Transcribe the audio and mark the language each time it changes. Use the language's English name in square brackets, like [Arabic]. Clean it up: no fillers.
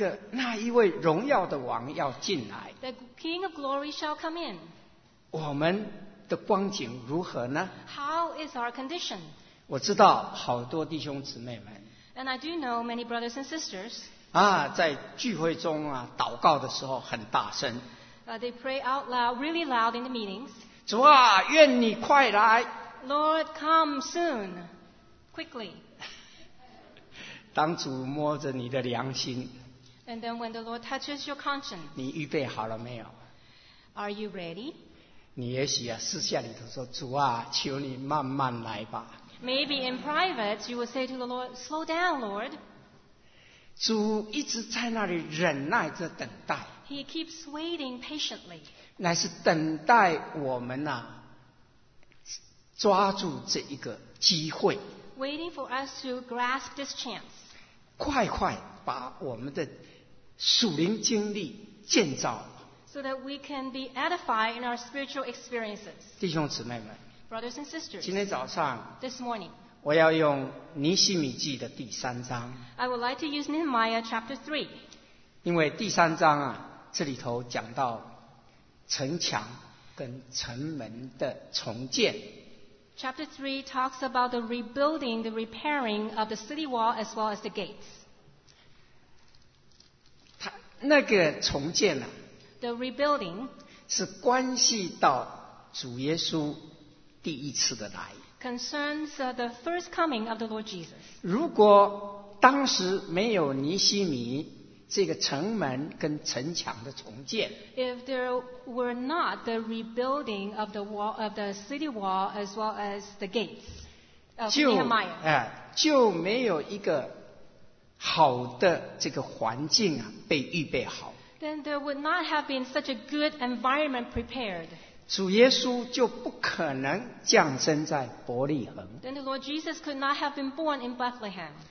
[Chinese] 那一位荣耀的王要进来。 [English] The King of Glory shall come in. [Chinese] 我们的光景如何呢 [English] ？How is our condition? [Chinese] 我知道好多弟兄姊妹们。 [English] And I do know many brothers and sisters. [Chinese] 啊，在聚会中啊，祷告的时候很大声。 [English] They pray out loud, really loud in the meetings. [Chinese] 主啊，愿你快来。 [English] Lord, come soon, quickly. [Chinese] 当主摸着你的良心。 [English] And then when the Lord touches your conscience. [Chinese] 你预备好了没有 [English] ？Are you ready? [Chinese] 你也许啊，私下里头说，主啊，求你慢慢来吧。 [English] Maybe in private, you will say to the Lord, "Slow down, Lord." [Chinese] 主一直在那里忍耐着等待。 [English] He keeps waiting patiently. [Chinese] 乃是等待我们啊。抓住这一个机会 [English] waiting for us to grasp this chance. [Chinese] 快快把我们的属灵经历建造。 [English] So that we can be edified in our spiritual experiences. [Chinese] 弟兄姊妹们。 [English] Brothers and sisters. [Chinese] 今天早上。 [English] This morning. [Chinese] 我要用尼希米记的第三章。 [English] I would like to use Nehemiah chapter 3. [Chinese] 因为第三章啊，这里头讲到城墙跟城门的重建。 [English] Chapter 3 talks about the rebuilding, the repairing of the city wall as well as the gates. [Chinese] 它那个重建啊， [English] The rebuilding [Chinese] 是关系到主耶稣第一次的来。 [English] Concerns the first coming of the Lord Jesus. [Chinese] 如果当时没有尼希米这个城门跟城墙的重建， [English] If there were not the rebuilding of the wall of the city wall as well as the gates of Nehemiah, [Chinese] 就没有一个好的这个环境啊被预备好。 [English] Then there would not have been such a good environment prepared. [Chinese] 主耶稣就不可能降生在伯利恒。 [English] Then the Lord Jesus could not have been born in Bethlehem.